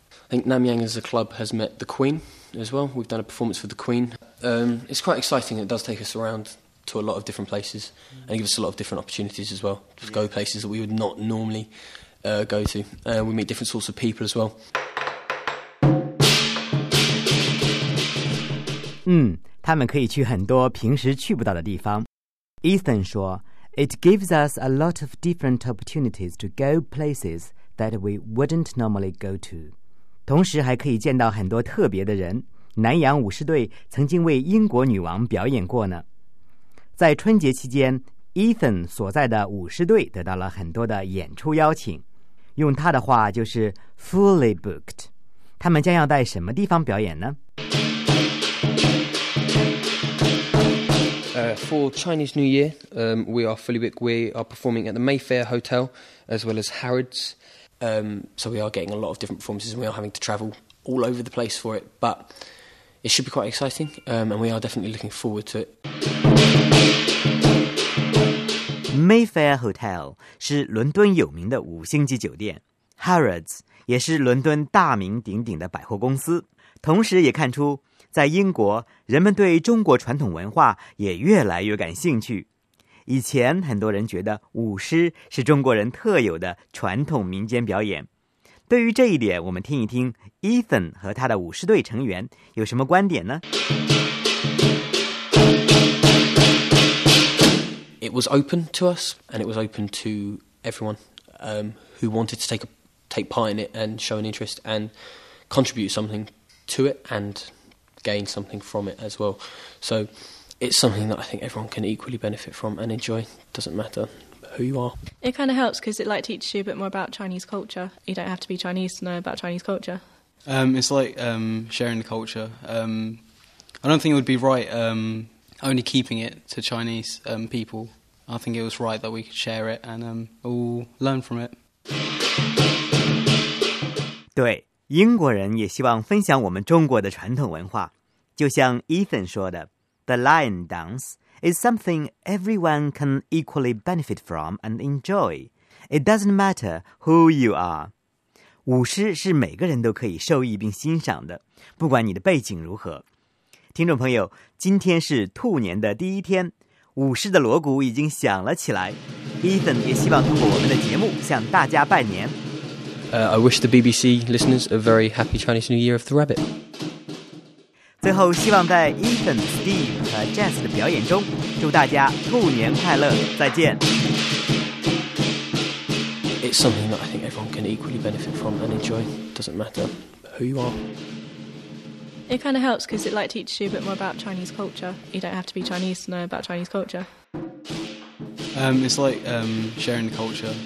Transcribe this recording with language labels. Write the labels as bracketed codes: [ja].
[en] I think Namyang as a club has met the Queen as well. We've done a performance for the Queen. It's quite exciting. It does take us around to a lot of different places, and gives us a lot of different opportunities as well, to go places that we would not normally go to. We meet different sorts of people as well. [zh] 他们可以去很多平时去不到的地方。 [en] Ethan [zh] 说 [en] ,It gives us a lot of different opportunities to go places that we wouldn't normally go to. [zh] 同时还可以见到很多特别的人。南洋舞狮队曾经为英国女王表演过呢。在春节期间 ,Ethan 所在的舞狮队得到了很多的演出邀请。用他的话就是 [en] fully booked. [zh] 他们将要在什么地方表演呢？ [en] For Chinese New Year, we are fully booked. We are performing at the Mayfair Hotel, as well as Harrods. So we are getting a lot of different performances, and we are having to travel all over the place for it. But it should be quite exciting, and we are definitely looking forward to it. [zh] Mayfair Hotel 是伦敦有名的五星级酒店。 Harrods 也是伦敦大名鼎鼎的百货公司。同时也看出在英国，人们对中国传统文化也越来越感兴趣。以前很多人觉得舞狮是中国人特有的传统民间表演。对于这一点，我们听一听 Ethan 和他的舞狮队成员有什么观点呢？ [en] It was open to us, and it was open to everyone, who wanted to take part in it and show an interest and contribute something to it and... gain something from it as well. So it's something that I think everyone can equally benefit from and enjoy. Doesn't matter who you are. It kind of helps because it like teaches you a bit more about Chinese culture. You don't have to be Chinese to know about Chinese culture. It's like sharing the culture. I don't think it would be right only keeping it to Chinese people. I think it was right that we could share it and all learn from it. [zh] 对，英国人也希望分享我们中国的传统文化。就像 Ethan 说的 [en] ,The Lion Dance is something everyone can equally benefit from and enjoy. It doesn't matter who you are. [zh] 舞狮是每个人都可以受益并欣赏的，不管你的背景如何。听众朋友，今天是兔年的第一天，舞狮的锣鼓已经响了起来。 Ethan 也希望通过我们的节目向大家拜年。 [en] I wish the BBC listeners a very happy Chinese New Year of the Rabbit. [zh] 最后希望在 Ethan, Steve 和 Jess 的表演中祝大家兔年快乐，再见。 [en] It's something that I think everyone can equally benefit from and enjoy. Doesn't matter who you are. It kind of helps because it like teaches you a bit more about Chinese culture. You don't have to be Chinese to know about Chinese culture. It's like sharing the culture.